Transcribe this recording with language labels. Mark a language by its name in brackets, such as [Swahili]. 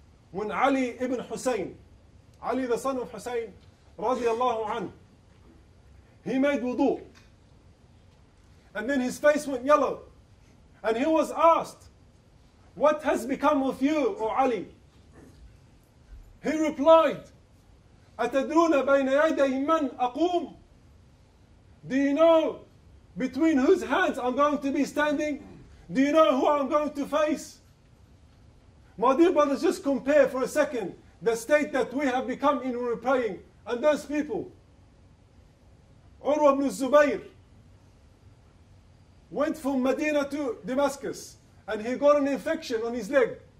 [English] When Ali ibn Hussein, Ali the son of Hussein, radiallahu anhu, he made wudu. And then his face went yellow. And he was asked, what has become of you, O Ali? He replied, [Arabic] أتدرون بين يدي من أقوم? [English] Do you know between whose hands I'm going to be standing? Do you know who I'm going to face? My dear brothers, just compare for a second the state that we have become in when we're praying and those people. Urwa ibn Zubayr went from Medina to Damascus and he got an infection on his leg.